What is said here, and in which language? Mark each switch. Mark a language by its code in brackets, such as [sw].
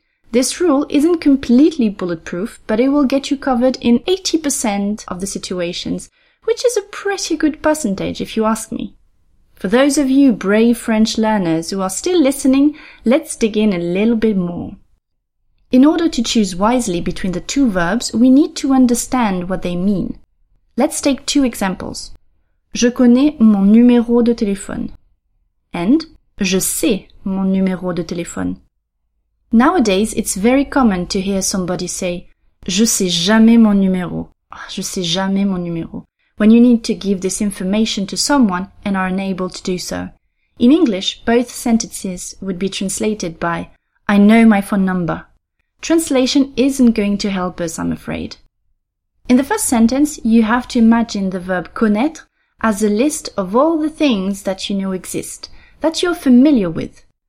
[en] This rule isn't completely bulletproof, but it will get you covered in 80% of the situations, which is a pretty good percentage if you ask me. For those of you brave French learners who are still listening, let's dig in a little bit more. In order to choose wisely between the two verbs, we need to understand what they mean. Let's take two examples. [fr] Je connais mon numéro de téléphone. And je sais mon numéro de téléphone. [en] Nowadays, it's very common to hear somebody say [fr] je sais jamais mon numéro. Oh, je sais jamais mon numéro. [en] When you need to give this information to someone and are unable to do so. In English, both sentences would be translated by I know my phone number. Translation isn't going to help us, I'm afraid. In the first sentence, you have to imagine the verb connaître as a list of all the things that you know exist, that you're familiar with.